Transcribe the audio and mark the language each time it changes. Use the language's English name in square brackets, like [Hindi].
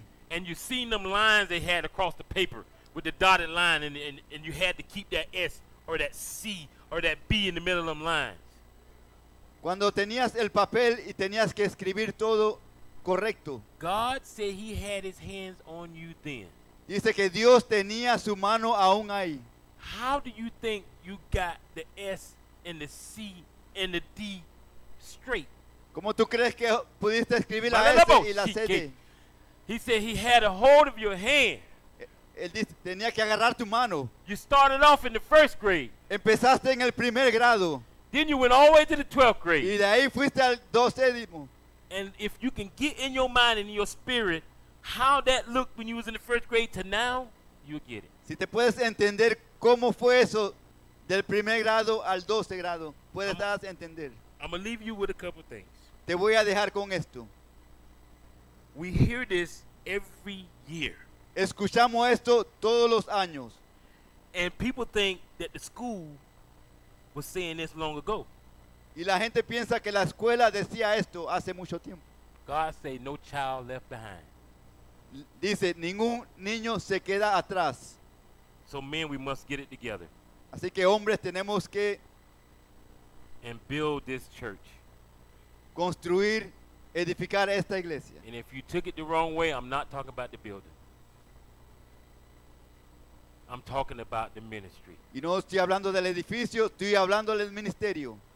[English] and you seen them lines they had across the paper with the dotted line, and you had to keep that S or that C or that B in the middle of them lines. [Spanish] Cuando tenías el papel y tenías que escribir todo correcto. [English] God said he had his hands on you then. [Spanish] Dice que Dios tenía su mano aún ahí. [English] How do you think you got the S and the C and the D straight? [Spanish] ¿Cómo tú crees que pudiste escribir la S y la C? [English] He said he had a hold of your hand. [Spanish] Él dice, tenía que agarrar tu mano. [English] You started off in the first grade. [Spanish] Empezaste en el primer grado. [English] Then you went all the way to the 12th grade. [Spanish] Y de ahí fuiste al 12º. [English] And if you can get in your mind and in your spirit how that looked when you was in the first grade to now, you'll get it. [Spanish] Si te puedes entender cómo fue eso del primer grado al 12 grado, puedes darte a entender. [English] I'm going to leave you with a couple things. [Spanish] Te voy a dejar con esto. [English] We hear this every year. [Spanish] Escuchamos esto todos los años. [English] And people think that the school was saying this long ago. [Spanish] Y la gente piensa que la escuela decía esto hace mucho tiempo. [English] God say no child left behind. [Spanish] Dice, ningún niño se queda atrás. [English] So men, we must get it together. [Spanish] Así que hombres, tenemos que [English] and build this church. [Spanish] Construir, edificar esta iglesia. [English] And if you took it the wrong way, I'm not talking about the building. I'm talking about the ministry. [Spanish] Y no estoy hablando del edificio, estoy hablando del ministerio.